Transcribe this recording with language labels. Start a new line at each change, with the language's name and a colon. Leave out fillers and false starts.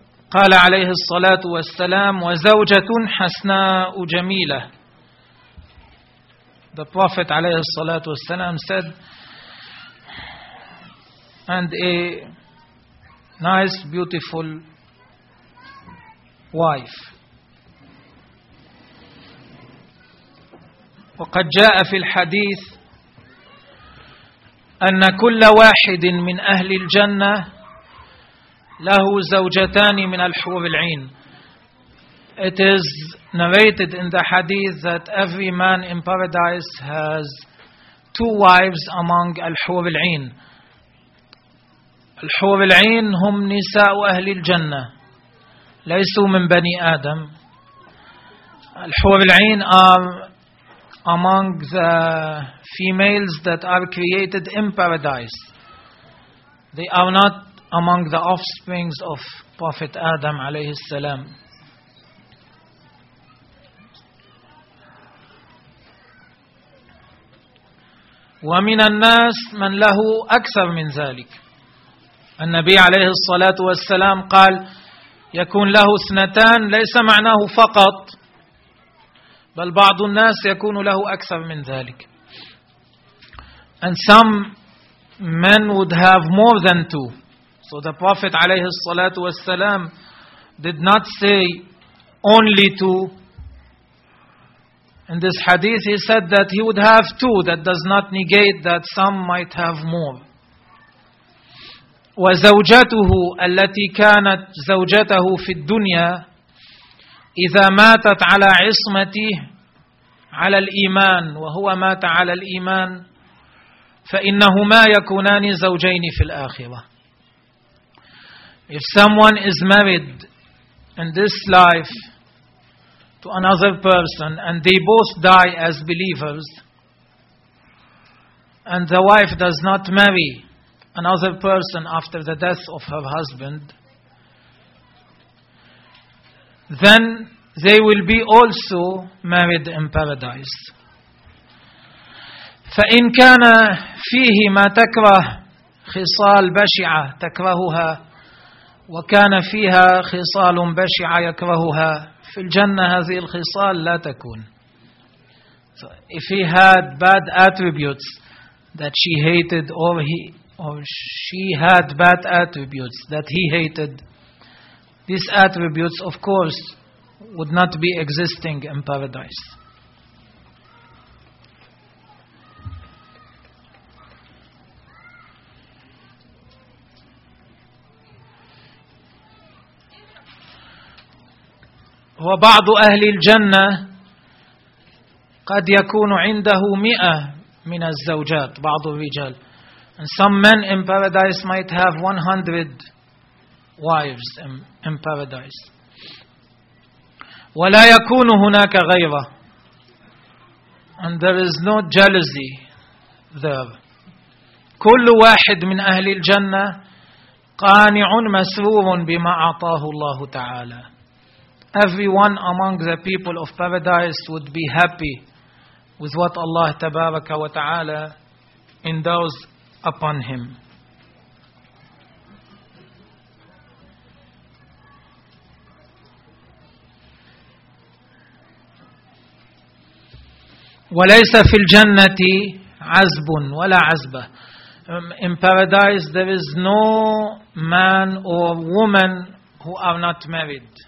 Arabic: قال عليه الصلاة والسلام وزوجة حسناء جميلة.
English: The Prophet عليه الصلاة والسلام said, and a nice, beautiful wife.
Arabic: وقد جاء في الحديث أن كل واحد من أهل الجنة له زوجتان من الحور العين.
English: It is narrated in the hadith that every man in paradise has two wives among al-hur al-ain.
Arabic: Al-hur al-ain hum nisa'u ahli al-jannah. Laysu min bani Adam.
English: Al-hur al-ain are among the females that are created in paradise. They are not among the offsprings of Prophet Adam alayhi salam.
Arabic: ومن الناس من له أكثر من ذلك. النبي عليه الصلاة والسلام قال يكون له اثنتان ليس معناه فقط بل بعض الناس يكون له أكثر من ذلك.
English: And some men would have more than two. So the Prophet عليه الصلاة والسلام did not say only two. In this hadith, he said that he would have two. That does not negate that some might have more.
Arabic: وزوجته التي كانت زوجته في الدنيا إذا ماتت على عصمته على الإيمان وهو مات على الإيمان فإنهما يكونان زوجين في الآخرة.
English: If someone is married in this life to another person and they both die as believers, and the wife does not marry another person after the death of her husband, then they will be also married in paradise.
Arabic: فإن كان فيه ما تكره خصال بشعة تكرهها وكان فيها خصال بشعة يكرهها في الجنة هذه الخصال لا تكون.
English: So if he had bad attributes that she hated, or she had bad attributes that he hated, these attributes of course would not be existing in paradise.
Arabic: وبعض أهل الجنة قد يكون عنده 100 من الزوجات. بعض الرجال,
English: and some men in paradise might have 100 wives in paradise.
Arabic: ولا يكون هناك غيرة,
English: and there is no jealousy there.
Arabic: كل واحد من أهل الجنة قانع مسرور بما أعطاه الله تعالى.
English: Everyone among the people of paradise would be happy with what Allah Tabaraka wa Ta'ala endows upon him.
Arabic: وليس في الجنة عزب ولا عزبة.
English: In paradise there is no man or woman who are not married.